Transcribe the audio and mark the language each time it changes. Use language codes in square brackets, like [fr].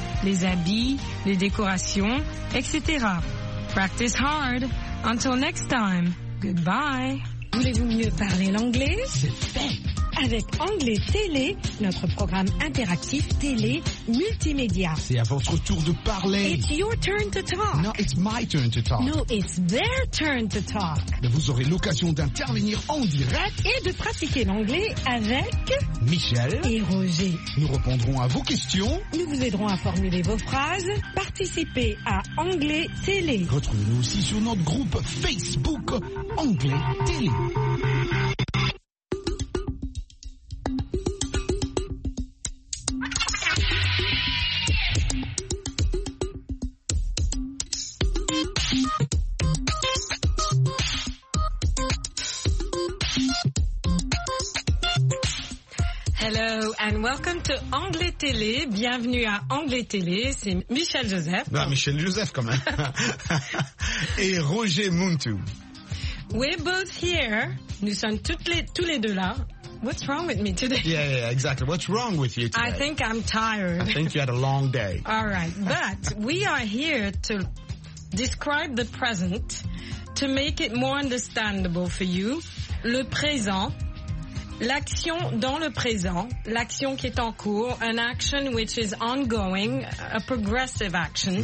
[fr] Les habits, les décorations, etc. [en] Practice hard. Until next time. Goodbye. [fr] Voulez-vous mieux parler l'anglais? C'est fait. Avec Anglais Télé, notre programme interactif télé multimédia. C'est à votre tour de parler. [en] It's your turn to talk. No, it's my turn to talk. No, it's their turn to talk. [fr] Mais vous aurez l'occasion d'intervenir en direct et de pratiquer l'anglais avec Michel et Roger. Nous répondrons à vos questions. Nous vous aiderons à formuler vos phrases. Participez à Anglais Télé. Retrouvez-nous aussi sur notre groupe Facebook Anglais Télé. [en] Welcome to Anglais Télé. [fr] Bienvenue à Anglais Télé. C'est Michel Joseph. Ben, Michel Joseph, quand même. Et Roger Muntu. [en] We're both here. [fr] Nous sommes tous les deux là. [en] What's wrong with me today? Yeah, exactly. What's wrong with you today? I think I'm tired. I think you had a long day. All right. But we are here to describe the present, to make it more understandable for you. [fr] Le présent. L'action dans le présent, l'action qui est en cours, [en] an action which is ongoing, a progressive action.